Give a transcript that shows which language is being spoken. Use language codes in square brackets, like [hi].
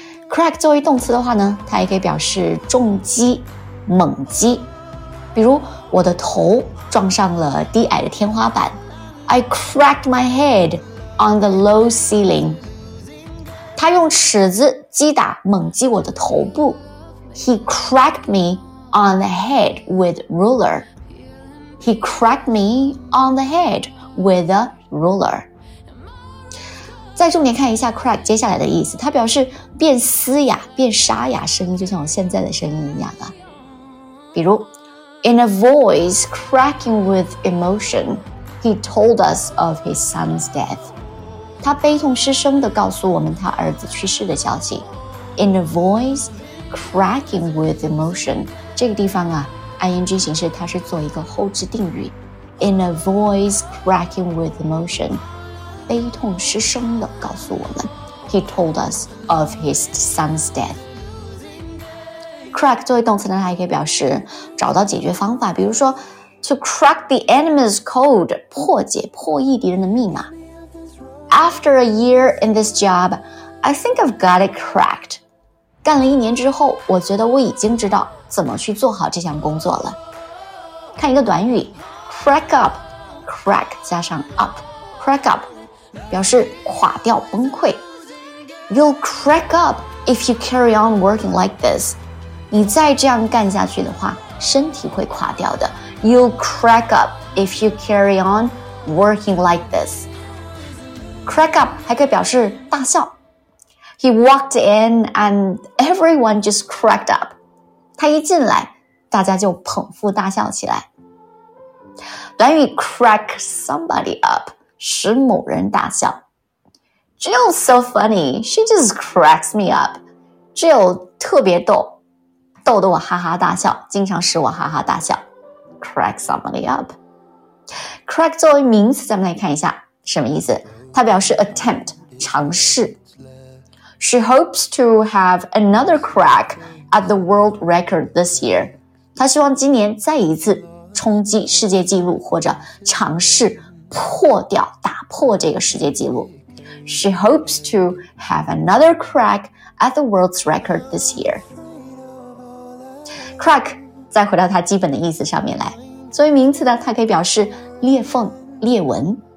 [zh] Crack 作为动词的话呢，它也可以表示重击、猛击。比如，我的头撞上了低矮的天花板。 [en] I cracked my head on the low ceiling. [zh] 他用尺子击打猛击我的头部。 [en] He cracked me on the head with ruler. He cracked me on the head with a ruler. [zh] 再重点看一下 crack 接下来的意思，它表示变嘶哑、变沙哑，声音就像我现在的声音一样的。 [en] 比如 ，In a voice cracking with emotion, he told us of his son's death. [zh] 他悲痛失声地告诉我们他儿子去世的消息。 [en] In a voice cracking with emotion, [zh] 这个地方啊 ，ing 形式它是做一个后置定语。 [en] In a voice cracking with emotion, [zh] 悲痛失声地告诉我们 [en] ，he told us of his son's death. [zh] Crack 作为动词呢，它也可以表示找到解决方法，比如说 [en] to crack the enemy's code， [zh] 破解破译敌人的密码。 [en] After a year in this job, I think I've got it cracked. [zh] 干了一年之后，我觉得我已经知道怎么去做好这项工作了。看一个短语 ，crack up， crack 加上 up， crack up 表示垮掉崩溃。 [en] You'll crack up if you carry on working like this. [zh] 你再这样干下去的话，身体会垮掉的。 [en] You'll crack up if you carry on working like this. Crack up [zh] 还可以表示大笑。 [en] He walked in and everyone just cracked up. [zh] 他一进来，大家就捧腹大笑起来。短语 crack somebody up 使某人大笑。 [en] Jill's so funny. She just cracks me up. Jill [zh] 特别逗。逗得我哈哈大笑，经常使我哈哈大笑。 [en] Crack somebody up. [zh] Crack 作为名词，咱们来看一下什么意思。它表示 attempt 尝试。 [en] She hopes to have another crack at the world record this year. [zh] 她希望今年再一次冲击世界纪录，或者尝试破掉、打破这个世界纪录。 [en] She hopes to have another crack at the world's record this year. [zh] Crack 再回到它基本的意思上面来，作为名词呢，它可以表示裂缝、裂纹。